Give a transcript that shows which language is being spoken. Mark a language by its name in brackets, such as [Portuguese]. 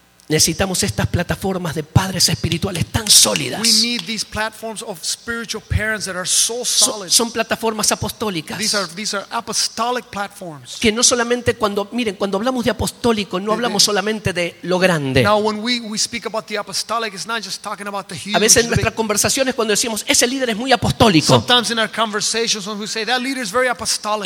[Spanish] Necesitamos estas plataformas de padres espirituales tan sólidas. [English] We need these platforms of spiritual parents that are so solid. [Spanish] Son plataformas apostólicas. [English] These are apostolic platforms. [Spanish] Que no solamente cuando hablamos de apostólico, no hablamos solamente de lo grande. [English] Now when we speak about the apostolic, it's not just talking about the huge. [Spanish] A veces en nuestras conversaciones cuando decimos ese líder es muy apostólico. [English] Sometimes in our conversations when we say that leader is very apostolic.